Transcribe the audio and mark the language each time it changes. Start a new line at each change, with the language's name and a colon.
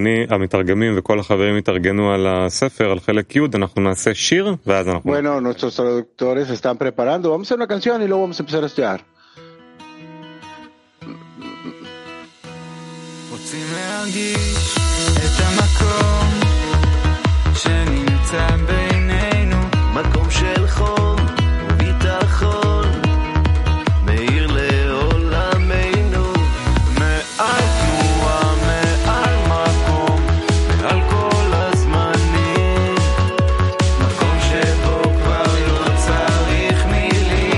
Hebrew: המתרגמים וכל החברים יתרגנו על הספר, על חלק י', אנחנו נעשה שיר, ואז אנחנו...
Spanish: Bueno, nuestros traductores están preparando. Vamos a hacer una canción y luego vamos a empezar a estudiar.
Hebrew: רוצים להרגיש את המקום שנמצא בינינו, מקום של חום וביטחון מאיר לעולמנו, מעל תנועה, מעל מקום, מעל כל הזמנים, מקום שבו כבר לא צריך מילים.